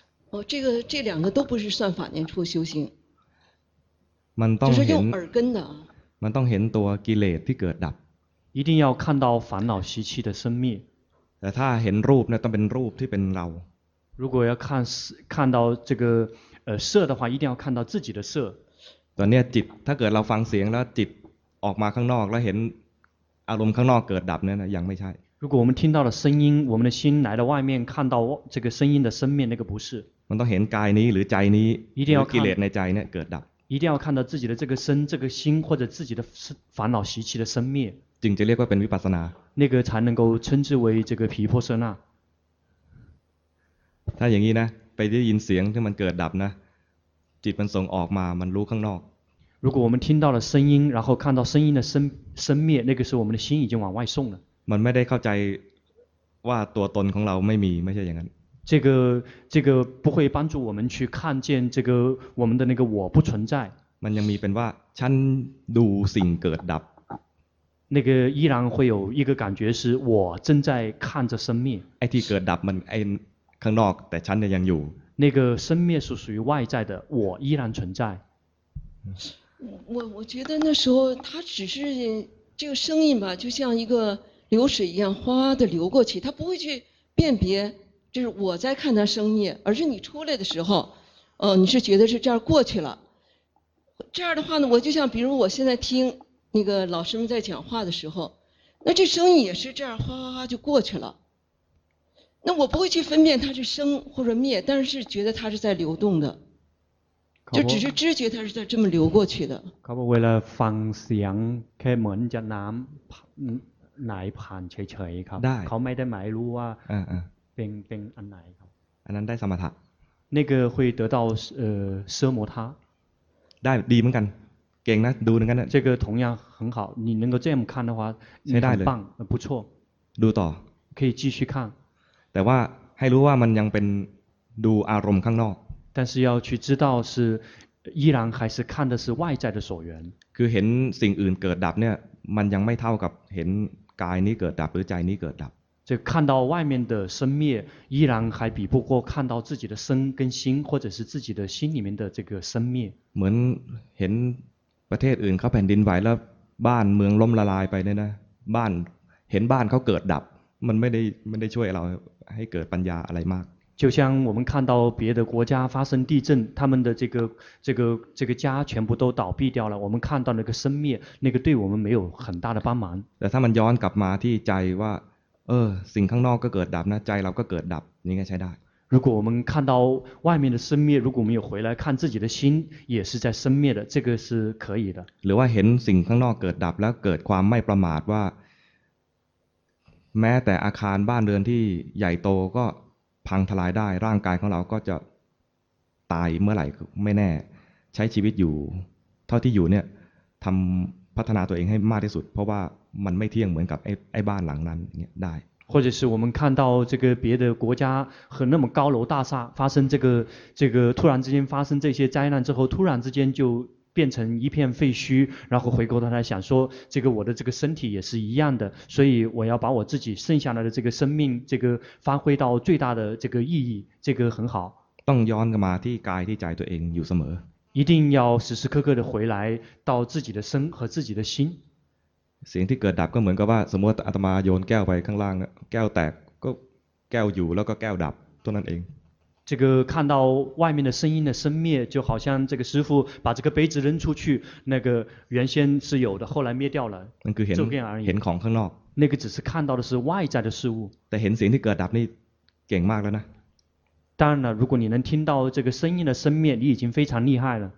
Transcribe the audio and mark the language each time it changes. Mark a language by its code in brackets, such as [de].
[zh] 哦这个这两个都不是算法念处修行 [th] มันต้องเห็น เอ [zh] 耳根的 [th] มันต้องเห็นตัวกิเลสที่เกิดดับ [zh] 一定要看到烦恼习气的生灭 [th] แต่ถ้าเห็นรูปเนี่ยต้องเป็นรูปที่เป็นเรา [zh] 如果要看到这个色的话一定要看到自己的色 [th] ตอนเนี้ยจิตถ้าเกิดเราฟังเสียงแล้วจิตออกมาข้างนอกแล้วเห็นอารมณ์ข้างนอกเกิดดับเนี่ยยังไม่ใช่ [zh] 如果我们听到了声音我们的心来到外面看到这个声音的生灭那个不是 [th] มันต้องเห็นกายนี้หรือใจนี้ [zh] 一定要 [th] กิเลสในใจเนี่ยเกิดดับ [zh] 一定要看到自己的这个身这个心或者自己的烦恼习气的生灭 [th] จึงจะเรียกว่าเป็นวิปัสสนา [zh] 那个才能够称之为这个毗婆舍那 [th] ถ้าอย่างนี้นะไปได้ยินเสียงที่มันเกิดดับนะจิตมันส่งออกมามันรู้ข้างนอก [zh] 如果我们听到了声音然后看到声音的 生灭那个是我们的心已经往外送了 [th] มันไม่ได้เข้าใจว่าตัวตนของเราไม่มีไม่ใช่อย่างนั้น เจ้า [zh] 不会帮助我们去看见这个我们的那个我不存在 [th] มันยังมีเป็นว่าฉันดูสิ่งเกิดดับ [zh] 那个依然会有一个感觉是我正在看着生灭 [th] ไอ้ที่เกิดดับมันไอ้ข้างนอกแต่ฉันเนี่ยยังอยู่ [zh] 那个生灭是属于外在的我依然存在我觉得那时候他只是这个声音吧，就像一个流水一样哗的流过去，他不会去辨别，就是我在看他声音，而是你出来的时候，你是觉得是这样过去了。这样的话呢，我就像比如我现在听那个老师们在讲话的时候，那这声音也是这样哗哗哗就过去了。那我不会去分辨它是生或者灭，但是觉得它是在流动的，就只是知觉它是在这么流过去的。可不为了方向 [th] แค่เหมือนจะน้ำไหลผ่านเฉยๆครับ ได้ เขาไม่ได้หมายรู้ว่า เป็น อันไหนครับ อันนั้นได้สมถะ [zh] 那个会得到奢摩他 [th] ได้ดีเหมือนกันเก่งนะดูเหมือนกันนะ [zh] 这个同样很好你能够这样看的话 [th] ใช้ได้เลย [zh] 棒不错 [th] ดูต่ [zh] อ可以继续看 [th] แต่ว่าให้รู้ว่ามันยังเป็นดูอารมณ์ข้างนอก [zh] 但是要去知道是依然还是看的是外在的所缘 [th] คือเห็นสิ่งอื่นเกิดดับเนี่ยมันยังไม่เท่ากับเห็นกายนี้เกิดดับหรือใจนี้เกิดดับ [zh] 就看到外面的生灭依然还比不过看到自己的身跟心或者是自己的心里面的这个生灭 [th] เหมือนเห็นประเทศอื่นเขาแผ่นดินไหวแล้วบ้านเมืองล่มละลายไปเนี่ยนะบ้านเห็นบ้านเขาเกิดดับมันไม่ได้ช่วยเราให้เกิดปัญญาอะไรมาก [zh] 就像我们看到别的国家发生地震他们的这个家全部都倒闭掉了我们看到那个生灭那个对我们没有很大的帮忙 [th] แต่ถ้ามันย้อนกลับมาที่ใจว่าสิ่งข้างนอกก็เกิดดับนะใจเราก็เกิดดับนี่ก็ใช้ได้ [zh] 如果我们看到外面的生灭如果我们有回来看自己的心也是在生灭的这个是可以的 [th] หรือว่าเห็นสิ่งข้างนอกเกิดดับแล้วเกิดความไม่ประมาทว่าแม้แต่อาคารบ้านเรือนที่ใหญ่โตก็พังทลายได้ร่างกายของเราก็จะตายเมื่อไหร่ไม่แน่ใช้ชีวิตอยู่เท่าที่อยู่เนี่ยทำพัฒนาตัวเองให้มากที่สุดเพราะว่ามันไม่เที่ยงเหมือนกับไอ้บ้านหลังนั้นเนี่ยได้ [zh] 或者是我们看到这个别的国家和那么高楼大厦发生这个突然之间发生这些灾难之后突然之间就变成一片废墟然后回过头来想说这个我的这个身体也是一样的所以我要把我自己剩下来的这个生命这个发挥到最大的这个意义这个很好 [th] ต้องย้อนกลับมาที่กายที่ใจตัวเองอยู่เสมอ [zh] 一定要时时刻刻的回来到自己的身和自己的心 [th] สิ่งที่เกิดดับก็เหมือนกับว่าสมมติอาตมาโยนแก้วไปข้างล่างแก้วแตกก็แก้วอยู่แล้วก็แก้วดับตัวนั้นเอง [zh] 这个看到外面的声音的生灭就好像这个师父把这个杯子扔出去那个原先是有的后来灭掉了就变而已 [th] เห็นของข้างนอก [zh] 那个只是看到的是外在的事物 [th] แต่เห็นสิ่งที่เกิดดับนี่เก่งมากแล้วนะ [zh] 当然了如果你能听到这个声音的生灭你已经非常厉害了